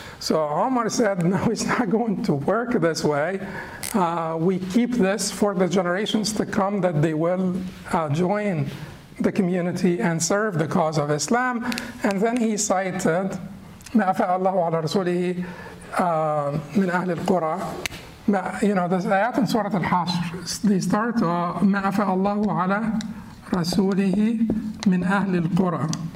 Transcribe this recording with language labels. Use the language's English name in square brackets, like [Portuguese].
[English] So Omar said, no, it's not going to work this way. We keep this for the generations to come, that they will join the community and serve the cause of Islam. And then he cited, [Arabic] مَا أَفَأَ اللَّهُ عَلَى رَسُولِهِ مِنْ أَهْلِ الْقُرَىٰ. [English] You know, this ayat in Surah Al-Hashr, they start, [Arabic] مَا أَفَأَ اللَّهُ عَلَى رَسُولِهِ مِنْ أَهْلِ الْقُرَىٰ.